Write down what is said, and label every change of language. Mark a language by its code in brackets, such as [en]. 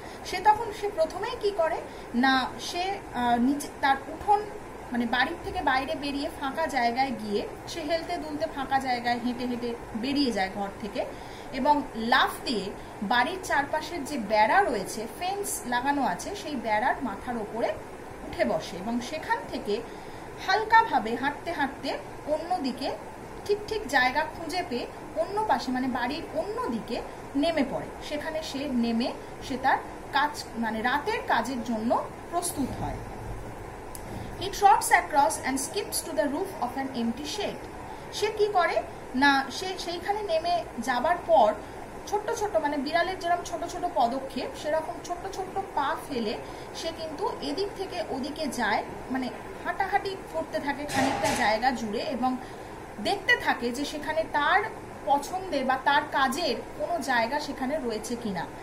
[bn] সে তখন সে প্রথমেই কি করে না, সে নিজে তার উঠোন মানে বাড়ির থেকে বাইরে বেরিয়ে ফাঁকা জায়গায় গিয়ে সে হেলতে দুলতে ফাঁকা জায়গায় হেঁটে হেঁটে বেরিয়ে যায় ঘর থেকে এবং লাফ দিয়ে বাড়ির চারপাশের যে বেড়া রয়েছে, ফেন্স লাগানো আছে, সেই বেড়ার মাথার ওপরে উঠে বসে এবং সেখান থেকে হালকাভাবে হাঁটতে হাঁটতে অন্যদিকে ঠিক ঠিক জায়গা খুঁজে পেয়ে অন্য পাশে মানে বাড়ির অন্যদিকে নেমে পড়ে। সেখানে সে নেমে সে তার কাজ মানে রাতের কাজের জন্য প্রস্তুত হয়। [en] He trots across and skips to the roof of an empty shed. [bn] সে কি করে না, সে সেইখানে নেমে যাবার পর ছোট ছোট মানে বিড়ালের যেরকম ছোট ছোট পদক্ষেপ সেরকম ছোট ছোট পা ফেলে সে কিন্তু এদিক থেকে ওদিকে যায়, মানে হাঁটাহাঁটি করতে থাকে খানিকটা জায়গা জুড়ে এবং দেখতে থাকে যে সেখানে তার পছন্দের বা তার কাজের কোনো জায়গা সেখানে রয়েছে কিনা।